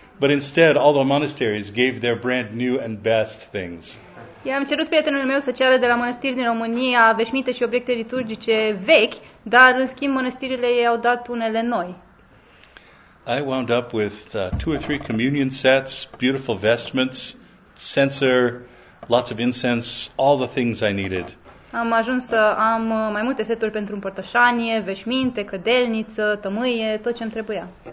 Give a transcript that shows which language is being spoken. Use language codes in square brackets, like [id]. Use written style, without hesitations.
[en] But instead, all the monasteries gave their brand new and best things. [ro] I-am cerut prietenul meu să ceară de la mănăstiri din România veșminte și obiecte liturgice vechi, dar în schimb mănăstirile i-au dat unele noi. [en] I wound up with two or three communion sets, beautiful vestments, censer, lots of incense, all the things I needed. [ro] Am ajuns să am mai multe seturi pentru împărtășanie, veșminte, cădelniță, tămâie, tot ce-mi trebuia.